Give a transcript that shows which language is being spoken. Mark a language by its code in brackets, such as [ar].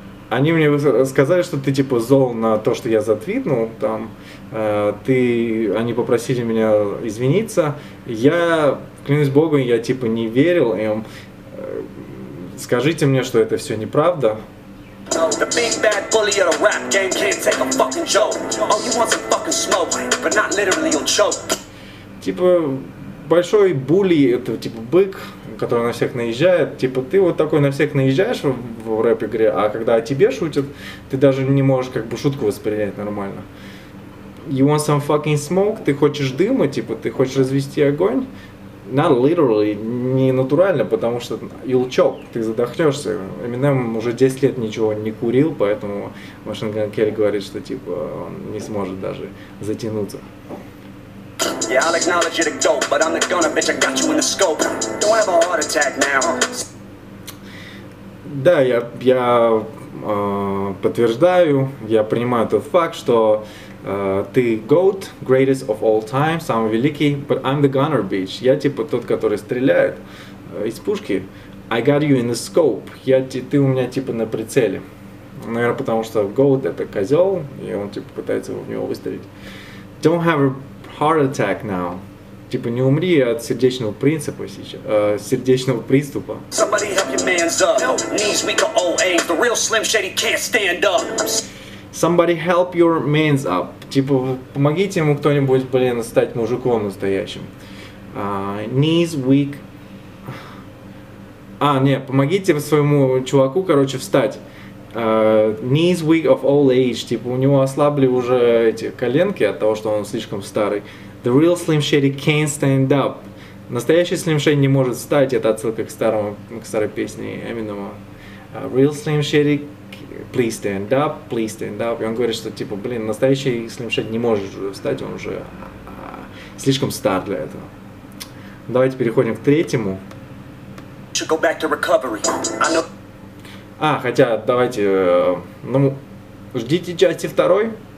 [ru] Они мне сказали, что ты типа зол на то, что я затвитнул там. Они попросили меня извиниться. Я, клянусь богом, я типа не верил им. Скажите мне, что это все неправда. [en] The big bad bully of the rap game can't take a fucking joke. Oh, you want some fucking smoke, but not literally, you'll choke. [ru] Типа, большой булли, это типа бык, который на всех наезжает. Типа, ты вот такой на всех наезжаешь в рэп-игре, а когда о тебе шутят, ты даже не можешь как бы шутку воспринять нормально. [en] You want some fucking smoke? [ru] Ты хочешь дыма, типа, ты хочешь развести огонь? [en] Not literally, [ru] не натурально, потому что [en] you'll choke, [ru] ты задохнешься. Eminem уже 10 лет ничего не курил, поэтому Machine Gun Kelly говорит, что типа он не сможет даже затянуться. [en] Yeah, I'll acknowledge you're the goat, but I'm the gunner, bitch, I got you in the scope. Don't have a heart attack now. [ru] Да, я подтверждаю, я принимаю тот факт, что ты GOAT, [en] greatest of all time, [ru] самый великий, [en] but I'm the gunner, bitch. [ru] Я типа тот, который стреляет из пушки. [en] I got you in the scope. [ru] Ты у меня типа на прицеле. Наверное, потому что Goat — это козёл, и он, типа, пытается в него выстрелить. [en] Don't have a heart attack now. [ru] Типа, не умри от сердечного принципа сейчас, сердечного приступа. [en] Somebody help your man's up. Knees weak or old age. The real Slim Shady can't stand up. Somebody help your man's up. [ru] Типа, помогите ему кто-нибудь, блин, стать мужиком настоящим. [en] Knees weak. [ru] А, нет, помогите своему чуваку, короче, встать. [en] Knees weak of old age. [ru] Типа, у него ослабли уже эти коленки от того, что он слишком старый. [en] The real Slim Shady can't stand up. [ru] Настоящий Slim Shady не может встать. Это отсылка к старому, к старой песне Эминема. [en] Real Slim Shady, please stand up, please stand up. [ru] И он говорит, что типа, блин, настоящий Slim Shady не может уже встать, он уже слишком стар для этого. Давайте переходим к третьему. [en] Should go back to recovery. I know... [ru] А, хотя, давайте, ну, ждите части второй.